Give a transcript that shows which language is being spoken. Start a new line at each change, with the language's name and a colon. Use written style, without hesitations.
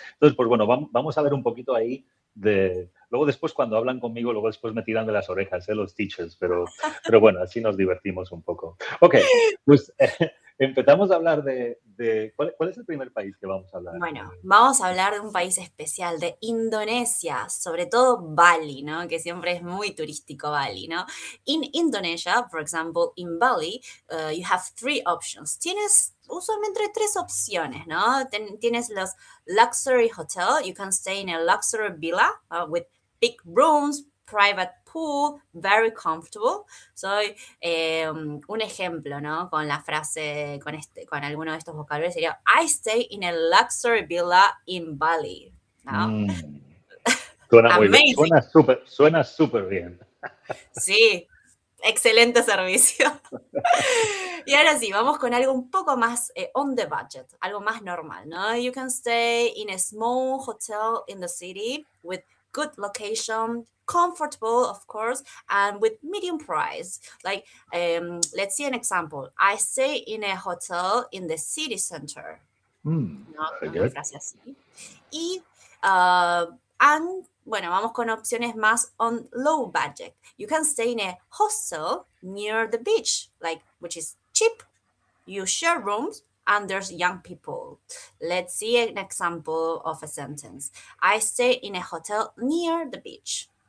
Spanish: Entonces, pues bueno, vamos a ver un poquito ahí de. Luego después cuando hablan conmigo, luego después me tiran de las orejas, los teachers, pero bueno, así nos divertimos un poco. Ok, pues. Empezamos a hablar de ¿cuál es el primer país que vamos a hablar? Bueno, vamos a hablar de un país especial, de Indonesia, sobre todo Bali, ¿no? Que siempre es muy turístico Bali, ¿no?
English: In Indonesia, for example, in Bali, you have three options.
Spanish: Tienes usualmente tres opciones, ¿no? Tienes los
English: luxury hotel, you can stay in a luxury villa, with big rooms, private pool, very comfortable.
Spanish: Soy un ejemplo, ¿no? Con la frase, con alguno de estos vocabularios sería
English: I stay in a luxury villa in Bali,
Spanish: ¿no? Suena muy bien,
English: Amazing.
Spanish: suena súper bien. Sí, excelente servicio. Y ahora sí, vamos con algo un poco más
English: on the budget,
Spanish: algo más normal, ¿no?
English: You can stay in a small hotel in the city with good location, comfortable, of course, and with medium price. Let's see an example. I stay in a hotel in the city center.
Spanish: ¿No? Con una
English: Very
Spanish: frase así. Y, bueno, vamos con opciones más
English: on low budget. You can stay in a hostel near the beach, which is cheap. You share rooms. And there's young people. Let's see an example of a sentence. I stay in a hotel near the beach.